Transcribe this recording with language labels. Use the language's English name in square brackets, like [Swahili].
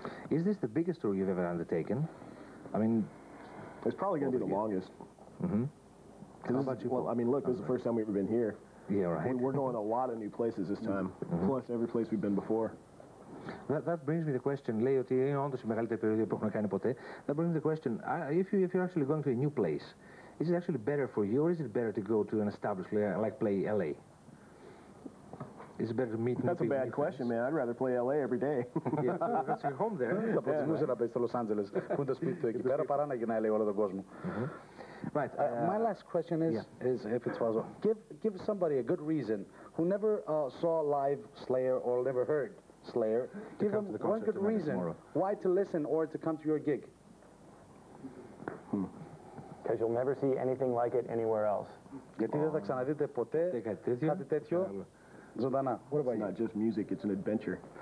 [English] Is this the biggest tour you've ever undertaken? I mean, it's probably going to be the longest. How about you? Well, I mean, look, this is the first time we've ever been here. Yeah, right. We're going a lot of new places this time, plus every place we've been before. That brings me the question. [Greek] Λέει ότι είναι όντως η μεγαλύτερη περιοδία που έχουμε κάνει ποτέ. [English] That brings me the question. If you're actually going to a new place, is it actually better for you, or is it better to go to an established place like play LA? It's better to meet That's a bad question, friends. Man. I'd rather play LA every day. That's your home there. [Greek] Θα προτιμούσα να πάει στο Los Angeles, που είναι το σπίτι του εκεί πέρα, παρά να γυρνάει LA όλο τον κόσμο. [English] Right. My last question is if it's possible, give somebody a good reason who never saw live Slayer or never heard Slayer, give them the one good reason why to listen or to come to your gig. Because you'll never see anything like it anywhere else. [Greek] Γιατί δεν θα ξαναδείτε ποτέ κάτι τέτοιο. Ζωντανά. [English] What about it's you? Not just music, it's an adventure.